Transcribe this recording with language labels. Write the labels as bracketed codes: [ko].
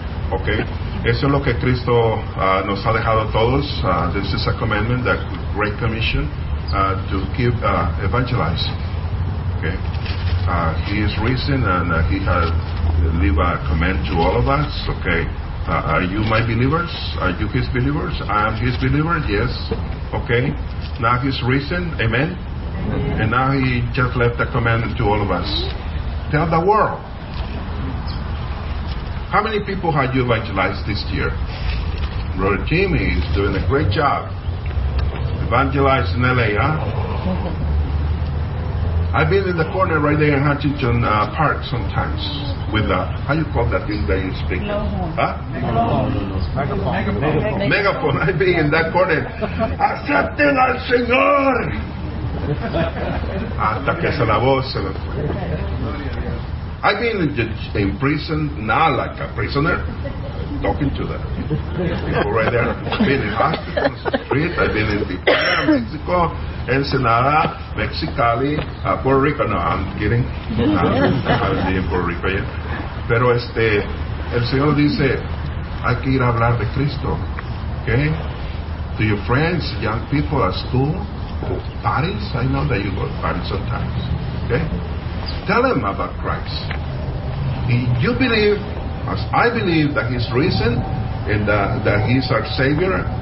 [es] Okay, eso es lo que Cristo nos ha dejado a todos. [en] This is a commandment, that great commission, to keep evangelizing. Okay, he is risen and he has leave a command to all of us. Okay, are you my believers? Are you his believers? I am his believer. Yes. Okay. Now he's risen. Amen. And now he just left a command to all of us. Tell the world. How many people have you evangelized this year? Brother Jimmy is doing a great job evangelizing LA, huh? I've been in the corner right there in Huntington Park sometimes with a, how you call that thing that you speak? No. Huh? Megaphone. I've been in that corner. Accepting [es] al Señor! Hasta que se la voz se me fue. [en] I've been in prison, not like a prisoner, talking to the people right there. I've been in Boston, on the street. I've been in Tijuana, Mexico, Ensenada, Mexicali, Puerto Rico. No, I'm kidding. I'll be in Puerto Rico yet. [es] Pero este, el Señor dice, hay que ir a hablar de Cristo. [en] Okay? To your friends, young people at school, parties, I know that you go to parties sometimes. Okay? Tell them about Christ. You believe, as I believe, that He's risen and that He's our Savior.